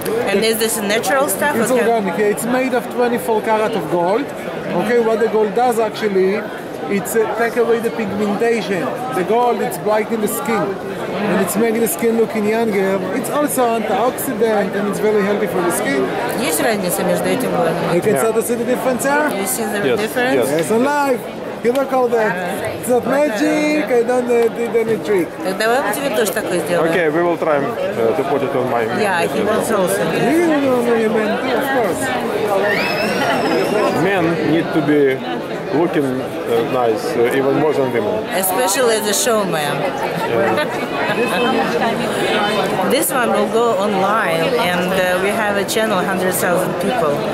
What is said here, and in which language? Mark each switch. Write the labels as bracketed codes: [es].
[en] And is this natural stuff? It's organic. It's made of 24 karat of gold. Okay, what the gold does actually, it's take away the pigmentation. The gold, it's brightening the skin. And it's making the skin looking younger. It's also antioxidant and it's very healthy for the skin. [ru] Есть разница между этим и этим? [en] You can start to see the difference there? You see the difference? Yes, on life. You look all that. It's not magic. I don't did any trick. [ru] Давай мы тебе тоже такое сделаем. [en] Okay, we will try to put it on my... Yeah, he wants also. You know what I mean, too, of course. Men need to be looking nice, even more than women. Especially the showman. Yeah. This one will go online, and we have a channel, 100,000 people.